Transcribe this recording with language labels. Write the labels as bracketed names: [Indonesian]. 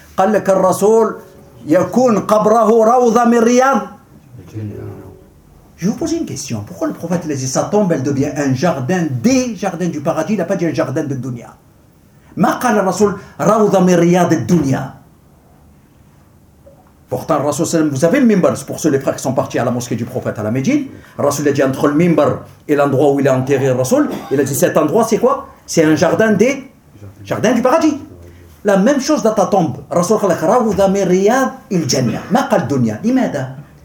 [Arabic] قال لك الرسول يكون قبره روضة من رياض. [French] Je vous pose une question. Pourquoi le prophète l'a dit, sa tombe, elle devient un jardin des jardins du paradis? Il n'a pas dit un jardin de dunya. [Arabic] Ma قال الرسول روضة من رياض الدنيا. [French] Pourtant, Rasoul Salam, vous avez le mimbar, c'est pour ceux les frères qui sont partis à la mosquée du prophète à la Médine. Rasoul a dit entre le mimbar et l'endroit où il a enterré Rasoul, il a dit cet endroit c'est quoi? C'est un jardin des jardins du paradis. La même chose dans ta tombe. [Arabic] Rasoul khalak rawda min riyad il jannah. Ma qal dunya. Limada?